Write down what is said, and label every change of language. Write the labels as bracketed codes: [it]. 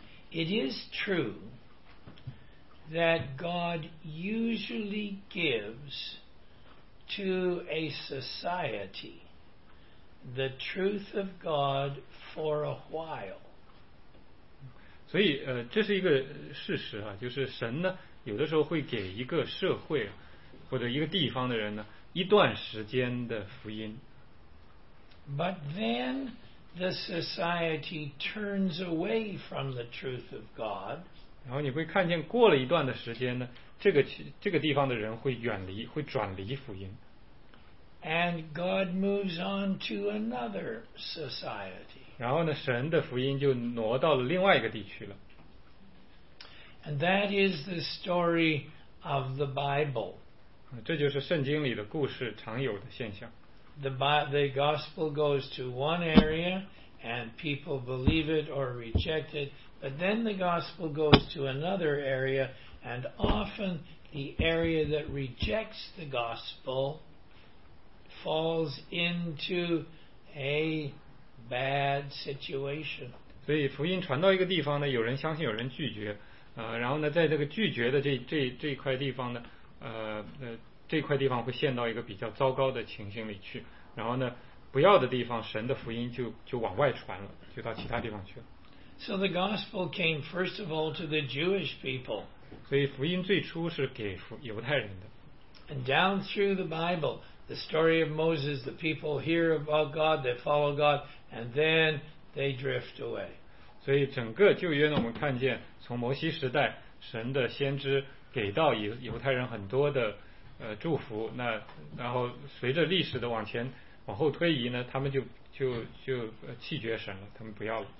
[en] It is true that God usually gives to a society the truth of God for a while. [zh] 所以这是一个事实啊，就是神呢有的时候会给一个社会或者一个地方的人呢一段时间的福音。 [en] But then the society turns away from the truth of God. [zh] 然后你会看见过了一段的时间呢，这个地方的人会远离，会转离福音。 [en] And God moves on to another society. [zh] 然后呢，神的福音就挪到了另外一个地区了。 [en] And that is the story of the Bible. [zh] 这就是圣经里的故事常有的现象。 [en] The gospel goes to one area and people believe it or reject it, but then the gospel goes to another area and often the area that rejects the gospel falls into a bad situation. [zh] 所以福音传到一个地方呢，有人相信，有人拒绝，然后呢，在这个拒绝的这块地方呢，这块地方会陷到一个比较糟糕的情形里去，然后呢，不要的地方，神的福音就往外传了，就到其他地方去了。 [en] So the gospel came first of all to the Jewish people. [zh] 所以福音最初是给犹太人的。 [en] And down through the Bible, the story of Moses, the people hear about God, they follow God, and then they drift away. [zh] 所以整个旧约呢，我们看见从摩西时代，神的先知给到犹太人很多的祝福，那然后随着历史的往后推移呢，他们就弃绝神了，他们不要了。